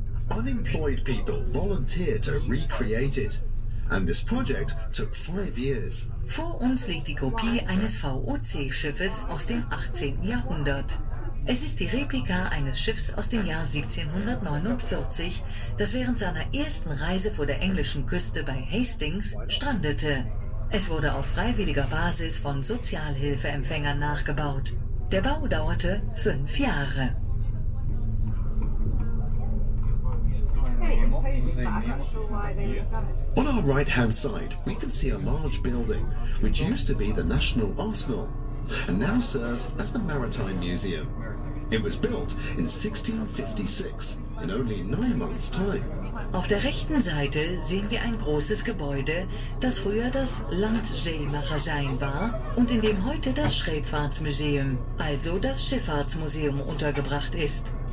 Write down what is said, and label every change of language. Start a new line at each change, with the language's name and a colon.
English: Unemployed people volunteered to recreate it, and this project took 5 years.
German: Vor uns liegt die Kopie eines VOC-Schiffes aus dem 18. Jahrhundert. Es ist die Replika eines Schiffs aus dem Jahr 1749, das während seiner ersten Reise vor der englischen Küste bei Hastings strandete. Es wurde auf freiwilliger Basis von Sozialhilfeempfängern nachgebaut. Der Bau dauerte 5 Jahre.
English: On our right-hand side, we can see a large building, which used to be the National Arsenal, and now serves as the Maritime Museum. It was built in 1656, in only 9 months' time.
German: Auf der rechten Seite sehen wir ein großes Gebäude, das früher das Landseemagazin war und in dem heute das Schreibfahrtsmuseum, also das Schifffahrtsmuseum, untergebracht ist.